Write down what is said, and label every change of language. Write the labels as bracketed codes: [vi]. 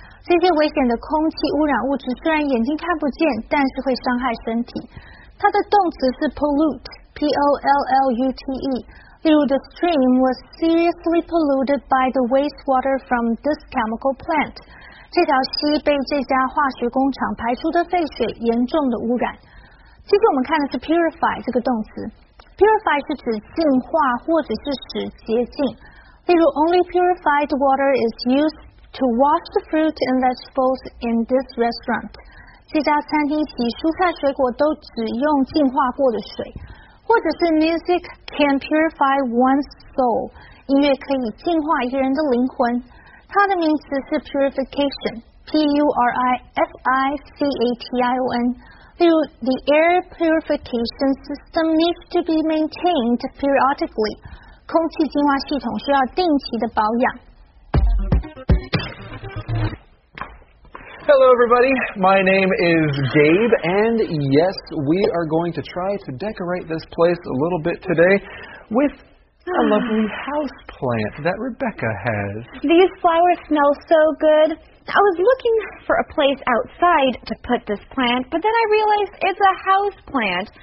[zh] 这些危险的空气污染物质虽然眼睛看不见，但是会伤害身体。它的动词是 pollute, P-O-L-L-U-T-E. 例如 [en] the stream was seriously polluted by the wastewater from this chemical plant. [zh] 这条溪被这家化学工厂排出的废水严重的污染。接着我们看的是 purify 这个动词。purify 是指净化或者是指洁净。例如 [en] only purified water is used to wash the fruit and vegetables in this restaurant. [zh] 这家餐厅洗蔬菜水果都只用净化过的水。或者是 [en] music can purify one's soul. [zh] 音乐可以净化一个人的灵魂。它的名词是 purification, P-U-R-I-F-I-C-A-T-I-O-N. 例如 [en] the air purification system needs to be maintained periodically. [zh] 空气净化系统需要定期的保养。 [en] Hello, everybody. My name is Gabe, and yes, we are going to try to decorate this place a little bit today with... a lovely house plant that Rebecca has. These flowers smell so good. I was looking for a place outside to put this plant, but then I realized it's a house plant.